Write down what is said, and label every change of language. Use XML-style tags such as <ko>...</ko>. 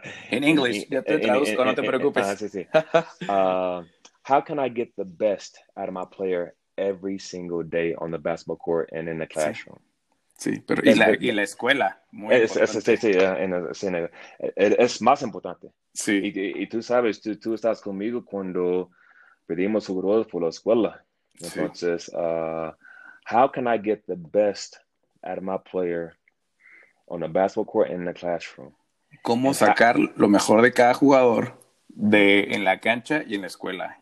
<es>En inglés, ya te traduzco, no te preocupes. Sí.</es> <en>How can I get the best out of my player every single day on the basketball court and in the classroom?</en> <es>Sí, pero y la escuela, muy importante. Es más importante. Sí. Y tú sabes, tú estás conmigo cuando pedimos jugadores por la escuela. Entonces, sí.</es> <en>How can I get the best out of my player on the basketball court and in the classroom?</en> <es>¿Cómo sacar lo mejor de cada jugador en la cancha y en la escuela?</es>